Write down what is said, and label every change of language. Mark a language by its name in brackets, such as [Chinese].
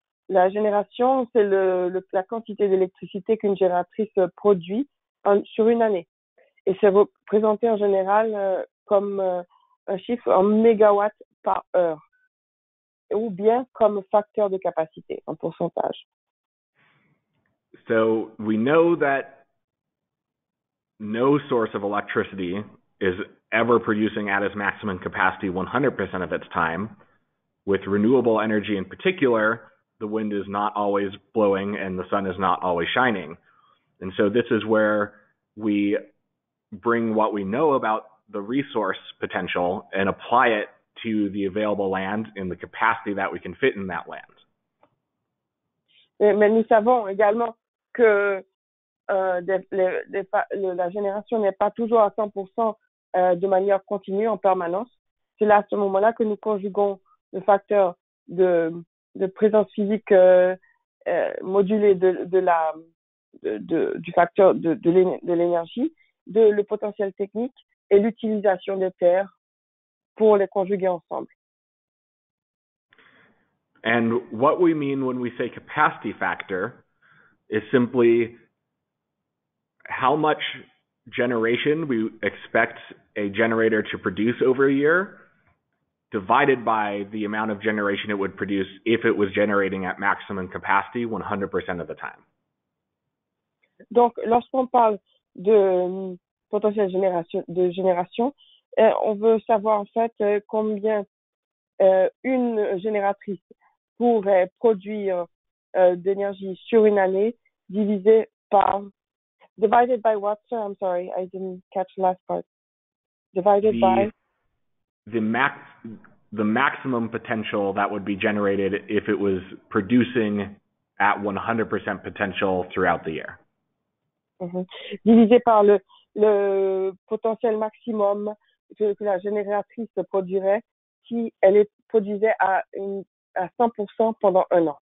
[French] La génération, c'est la quantité d'électricité qu'une génératrice produit sur une année. Et c'est représenté en général comme un chiffre en mégawatts par heure, ou bien comme facteur de capacité, en pourcentage. [English] So we know that no source of electricity is ever producing at its maximum capacity 100% of its time, With renewable energy in particular, the wind is not always blowing and the sun is not always shining. And so this is where we bring what we know about the resource potential and apply it to the available land in the capacity that we can fit in that land. [French] Mais nous savons également que la génération n'est pas toujours à 100% de manière continue en permanence. C'est là, à ce moment-là, que nous conjuguons le facteur de présence physique modulée du facteur de l'énergie, de le potentiel technique et l'utilisation des terres pour les conjuguer ensemble. [English] And what we mean when we say capacity factor is simply how much generation we expect a generator to produce over a year divided by the amount of generation it would produce if it was generating at maximum capacity 100% of the time. [French] Donc, lorsqu'on parle de potentiel de génération, on veut savoir en fait combien une génératrice pourrait produire d'énergie sur une année divisé par [English] divided by what, sir? I'm sorry, I didn't catch the last part. The maximum potential that would be generated if it was producing at 100% potential throughout the year. Mm-hmm. [French] Divisé par le potentiel maximum que la génératrice produirait si elle produisait à 100% pendant un an.